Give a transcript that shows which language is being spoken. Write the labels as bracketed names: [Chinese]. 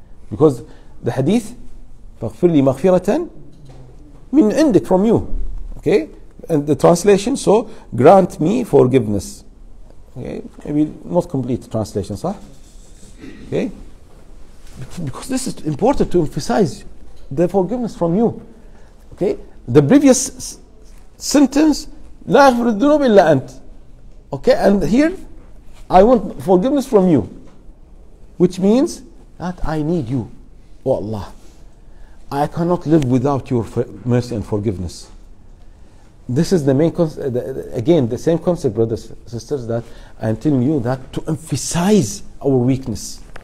[English] Because the hadith [Arabic] فاغفر لي مغفرة من عندك [English] from you. Okay, and the translation, so grant me forgiveness. Okay, maybe not complete translation, صح? Okay, because this is important to emphasize the forgiveness from you. Okay, the previous sentence, [Arabic] لا يغفر الذنوب إلا أنت. [English] Okay, and here, I want forgiveness from you, which means that I need you, oh Allah. I cannot live without your mercy and forgiveness. This is the main again the same concept, brothers, sisters, that I am telling you that to emphasize our weakness.